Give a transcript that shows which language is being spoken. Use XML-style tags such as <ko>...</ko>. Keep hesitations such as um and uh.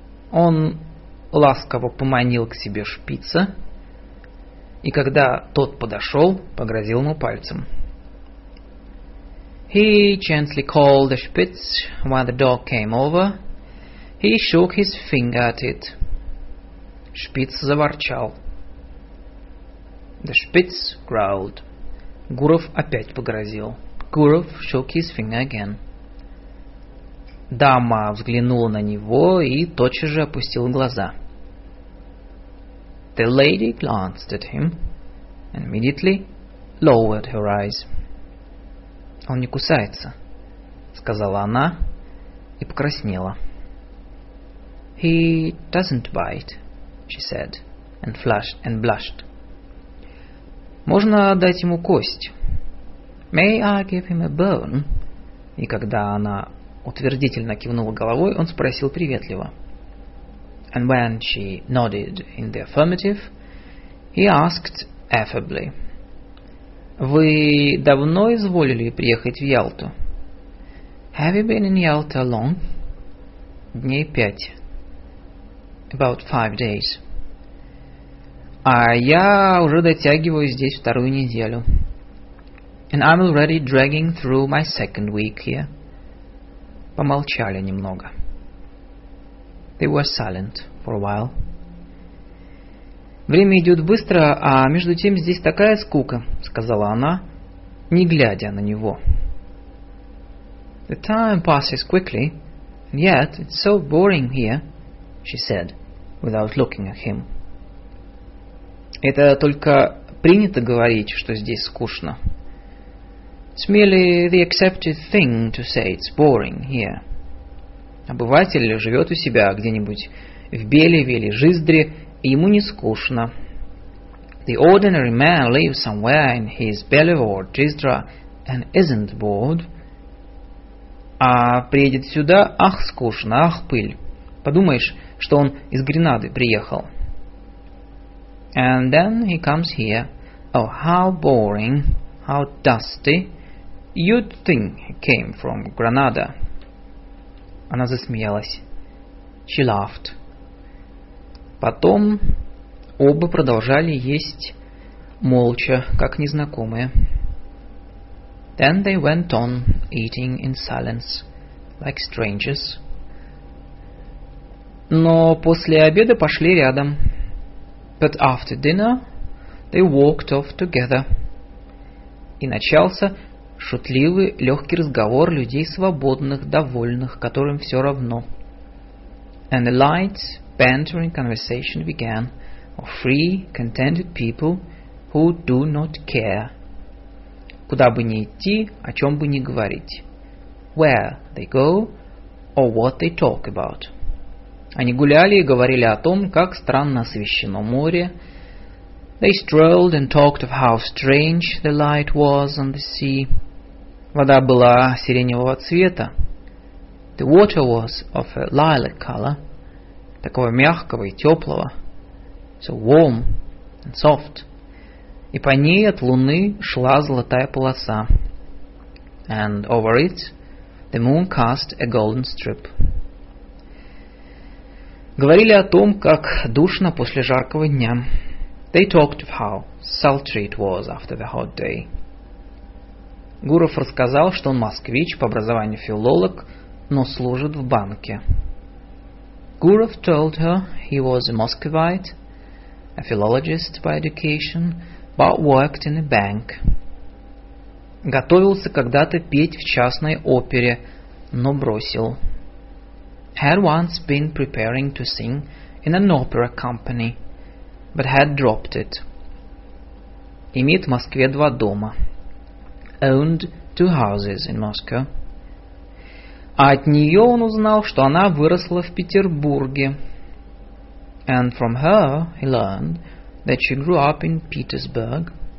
<ru>Он ласково поманил к себе шпица, и когда тот подошел, погрозил ему пальцем.</ru> <en>He gently called the spitz when the dog came over. He shook his finger at it.</en> <ru>Шпиц заворчал.</ru> <en>The spitz growled.</en> <ru>Гуров опять погрозил.</ru> <en>Гуров shook his finger again.</en> <ru>Дама взглянула на него и тотчас же опустила глаза.</ru> <en>The lady glanced at him and immediately lowered her eyes.</en> <ru>Он не кусается, сказала она и покраснела.</ru> <en>He doesn't bite, she said, and flushed and blushed.</en> <ru>Можно дать ему кость.</ru> <en>May I give him a bone?</en> <ru>И когда она утвердительно кивнула головой, он спросил приветливо.</ru> <en>And when she nodded in the affirmative, he asked affably.</en> <ru>Вы давно изволили приехать в Ялту?</ru> <en>Have you been in Yalta long?</en> <ru>Дней пять.</ru> <en>About five days.</en> <ru>А я уже дотягиваю здесь вторую неделю.</ru> <en>And I'm already dragging through my second week here.</en> <ru>Помолчали немного.</ru> <en>They were silent for a while.</en> <ru>Время идет быстро, а между тем здесь такая скука, сказала она, не глядя на него.</ru> <en>The time passes quickly, and yet it's so boring here, she said, without looking at him.</en> <ru>Это только принято говорить, что здесь скучно.</ru> <en>It's merely the accepted thing to say it's boring here.</en> <ru>Обыватель живет у себя где-нибудь в Белеве или Жиздре, и ему не скучно.</ru> <en>The ordinary man lives somewhere in his Belleville or Jizdra and isn't bored.</en> <ru>А приедет сюда, ах, скучно, ах, пыль. Подумаешь, что он из Гренады приехал.</ru> <en>And then he comes here. Oh, how boring, how dusty. You'd think he came from Granada.</en> <ru>Она засмеялась.</ru> <en>She laughed.</en> <ru>Потом оба продолжали есть молча, как незнакомые.</ru> <en>Then they went on eating in silence, like strangers.</en> <ru>Но после обеда пошли рядом.</ru> <en>But after dinner they walked off together.</en> <ru>И начался шутливый, легкий разговор людей свободных, довольных, которым все равно.</ru> <en>And a light, bantering conversation began of free, contented people who do not care.</en> <ru>Куда бы ни идти, о чем бы ни говорить.</ru> <en>Where they go or what they talk about.</en> <ru>— они гуляли и говорили о том, как странно освещено море.</ru> <en>They strolled and talked of how strange the light was on the sea.</en> <ru>Вода была сиреневого цвета.</ru> <en>The water was of a lilac color.</en> <ru>Такого мягкого и теплого.</ru> <en>So warm and soft.</en> <ru>И по ней от луны шла золотая полоса.</ru> <en>And over it the moon cast a golden strip</en> <ru>говорили о том, как душно после жаркого дня.</ru> <en>They talked of how sultry it was after the hot day.</en> <ru>Гуров рассказал, что он москвич по образованию филолог, но служит в банке.</ru> <en>Гуров told her he was a Muscovite, a philologist by education, but worked in a bank.</en> <ru>Готовился когда-то петь в частной опере, но бросил.</ru> <en>had once been preparing to sing in an opera company, but had dropped it.</en> <ru>Имеет в Москве два</ru> <en>Owned two houses in Moscow.</en> <ru>At от нее он узнал, что она выросла в Петербурге.</ru> <en>And from her he learned that she grew up in Petersburg.</en>